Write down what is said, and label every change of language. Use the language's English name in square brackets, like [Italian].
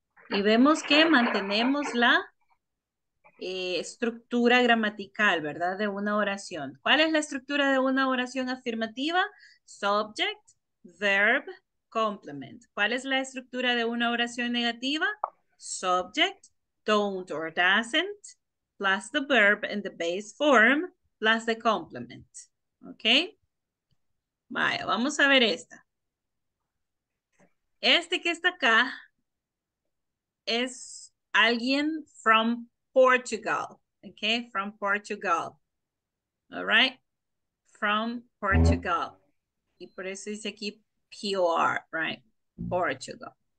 [Spanish] Y vemos que mantenemos la estructura gramatical, ¿verdad? De una oración. ¿Cuál es la estructura de una oración afirmativa? [English] Subject, verb, complement. [Spanish] ¿Cuál es la estructura de una oración negativa? [English] Subject, don't or doesn't, plus the verb in the base form, plus the complement. [Spanish] ¿Ok? Vaya, vamos a ver esta. Este que está acá es alguien [English] from Portugal. ¿Ok? From Portugal. All right? From Portugal. [Spanish] Y por eso dice aquí P-O-R, [English] right? [Spanish] Portugal.